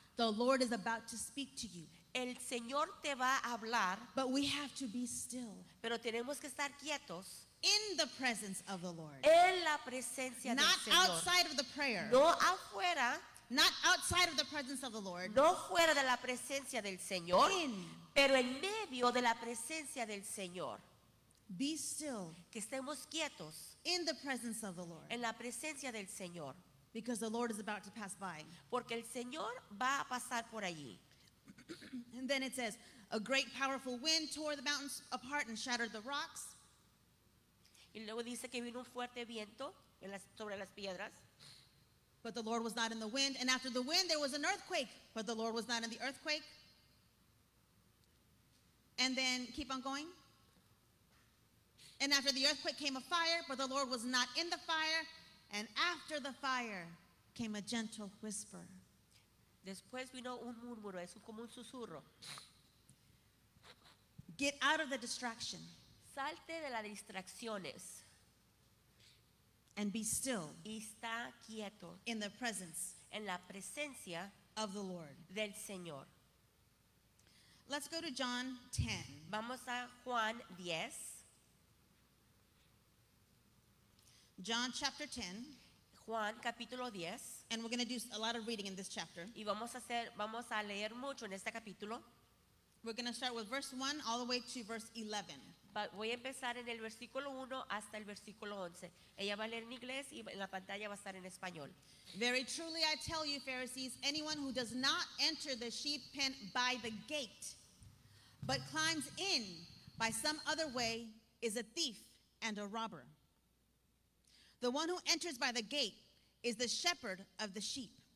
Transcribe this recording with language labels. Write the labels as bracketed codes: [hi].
[en] The Lord is about to speak to you. [es] El Señor te va a hablar. [en] But we have to be still. [es] Pero tenemos que estar quietos. [en] In the presence of the Lord. [es] En la presencia del Señor. [en] Not outside of the prayer. [es] No afuera. [en] Not outside of the presence of the Lord. [es] No fuera de la presencia del Señor. [en] In. [es] Pero en medio de la presencia del Señor. [en] Be still. [es] Que estemos quietos. [en] In the presence of the Lord. [es] En la presencia del Señor. [en] Because the Lord is about to pass by. [es] Porque el Señor va a pasar por allí. [en] And then it says, a great powerful wind tore the mountains apart and shattered the rocks. [es] Y luego dice que vino un fuerte viento en las, sobre las piedras. [en] But the Lord was not in the wind, and after the wind there was an earthquake. But the Lord was not in the earthquake. And then keep on going. And after the earthquake came a fire, but the Lord was not in the fire. And after the fire came a gentle whisper. [es] Después vino un murmuro, es como un susurro. [en] Get out of the distraction. [es] Salte de las distracciones. [en] And be still. [es] Y está quieto. [en] In the presence. [es] En la presencia. [en] Of the Lord. [es] Del Señor. [en] Let's go to John 10. [es] Vamos a Juan 10. [en] John chapter 10. [es] Juan capítulo 10. [en] And we're going to do a lot of reading in this chapter. [es] Y vamos a leer mucho en este capítulo. [en] We're going to start with verse 1 all the way to verse 11. [es] But voy a empezar en el versículo 1 hasta el versículo 11. Ella va a leer en inglés y en la pantalla va a estar en español. [en] Very truly I tell you, Pharisees, anyone who does not enter the sheep pen by the gate, but climbs in by some other way, is a thief and a robber. The one who enters by the gate is the shepherd of the sheep.